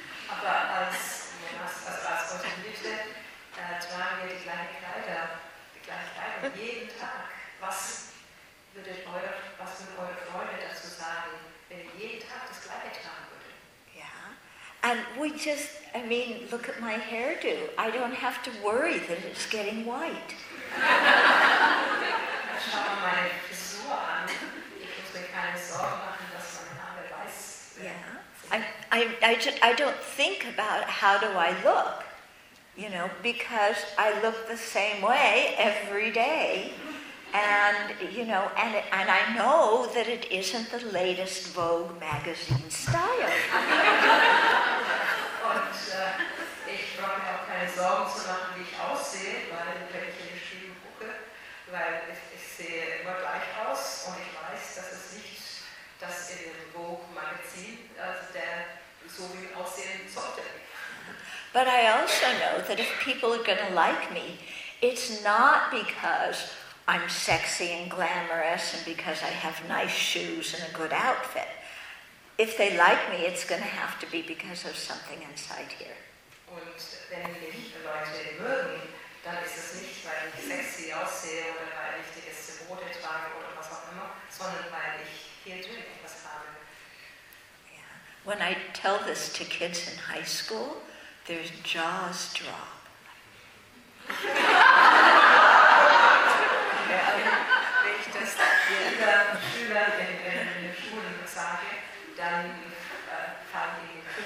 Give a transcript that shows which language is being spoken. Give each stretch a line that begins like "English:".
German: Aber als Monastik, als Konsumierte, tragen wir die gleichen Kleider jeden Tag. Was würden eure Freunde dazu sagen, wenn ihr jeden Tag das Gleiche tragen würdet?
English: Ja, and we just, I mean, look at my hairdo. I don't have to worry that it's getting white.
German: Schau mal meine Frisur an. Ich muss mir keine Sorgen machen, dass meine Haare weiß werden.
English: Yeah. I don't think about how do I look. You know, because I look the same way every day, and you know, and I know that it isn't the latest Vogue magazine style.
German: Und ich brauche mir auch keine Sorgen zu machen, wie ich aussehe, weil wenn ich in den Spiegel gucke, weil ich sehe immer gleich aus und ich weiß, dass es nicht das in dem Vogue magazin, also der so wie aussehen sollte.
English: But I also know that if people are going to like me, it's not because I'm sexy and glamorous and because I have nice shoes and a good outfit. If they like me, it's going to have to be because of something inside here.
German: Und wenn mich Leute mögen, dann ist es nicht, weil ich sexy aussehe oder weil ich die beste Mode trage oder was auch immer, sondern weil ich hier drin etwas habe.
English: Yeah. When I tell this to kids in high school, their jaws drop.
German: Wenn ich das Schüler in den Schulen sage, dann fallen die